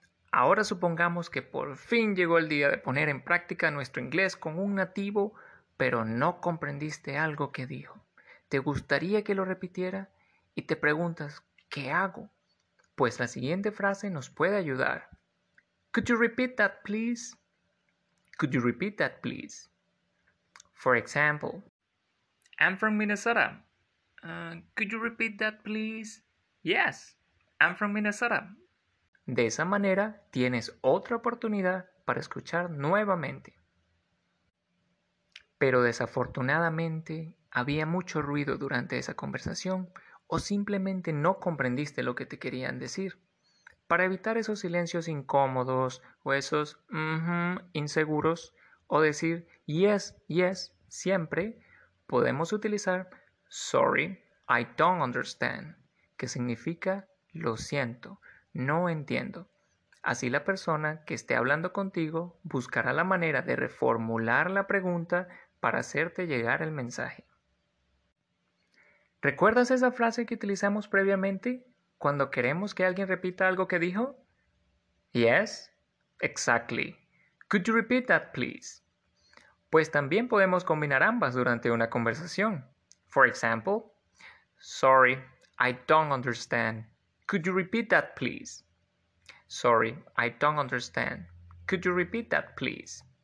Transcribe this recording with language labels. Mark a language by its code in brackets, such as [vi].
[es] Ahora supongamos que por fin llegó el día de poner en práctica nuestro inglés con un nativo, pero no comprendiste algo que dijo. ¿Te gustaría que lo repitiera? Y te preguntas, ¿qué hago? Pues la siguiente frase nos puede ayudar. [en] Could you repeat that, please? Could you repeat that, please? For example, I'm from Minnesota. Could you repeat that, please? Yes, I'm from Minnesota. [es] De esa manera, tienes otra oportunidad para escuchar nuevamente. Pero desafortunadamente, había mucho ruido durante esa conversación o simplemente no comprendiste lo que te querían decir. Para evitar esos silencios incómodos o esos inseguros o decir [en] yes, yes, [es] siempre, podemos utilizar [en] sorry, I don't understand, [es] que significa lo siento. No entiendo. Así la persona que esté hablando contigo buscará la manera de reformular la pregunta para hacerte llegar el mensaje. ¿Recuerdas esa frase que utilizamos previamente cuando queremos que alguien repita algo que dijo? [en] Yes, exactly. Could you repeat that, please? [es] Pues también podemos combinar ambas durante una conversación. [en] For example, sorry, I don't understand. Could you repeat that, please? Sorry, I don't understand. Could you repeat that, please?